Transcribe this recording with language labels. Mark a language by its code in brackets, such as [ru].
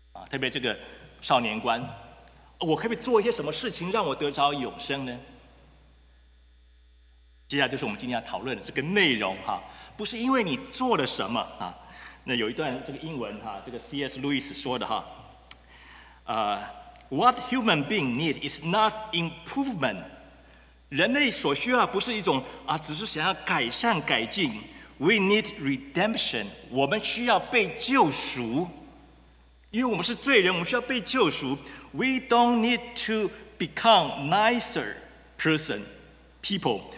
[zh] 特别这个少年官，我可不可以做一些什么事情让我得着永生呢？接下来就是我们今天要讨论的这个内容哈，不是因为你做了什么啊。那有一段这个英文哈，这个 C.S. [en] Lewis [zh] 说的哈， [en] What human being need is not improvement. [zh] 人类所需要不是一种只是想要改善改进。 [en] We need redemption. [zh] 我们需要被救赎，因为我们是罪人，我们需要被救赎。 [en] We don't need to become nicer person people.